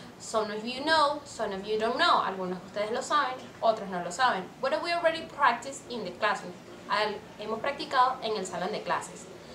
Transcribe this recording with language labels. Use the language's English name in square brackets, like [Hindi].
[English] Some of you know, some of you don't know. [Spanish] Algunos de ustedes lo saben, otros no lo saben. [English] What have we already practiced in the classroom? [Spanish] Hemos practicado en el salón de clases.